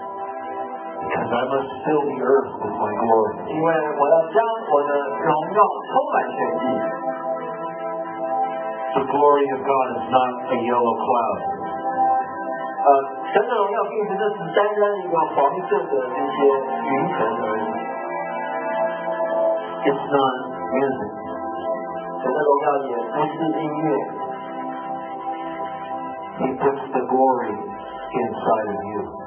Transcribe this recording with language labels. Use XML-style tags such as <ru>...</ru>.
<en>Because I must fill the earth with my glory.</en> <zh>因为我要将我的荣耀充满全地。</zh> <en>The glory of God is not a yellow cloud.</en> <zh>神的荣耀并不是只单单一个黄色的那些云层而已。</zh> <en>It's not music.</en> <zh>神的荣耀也不是音乐。</zh> <en>He puts the glory inside of you.</en>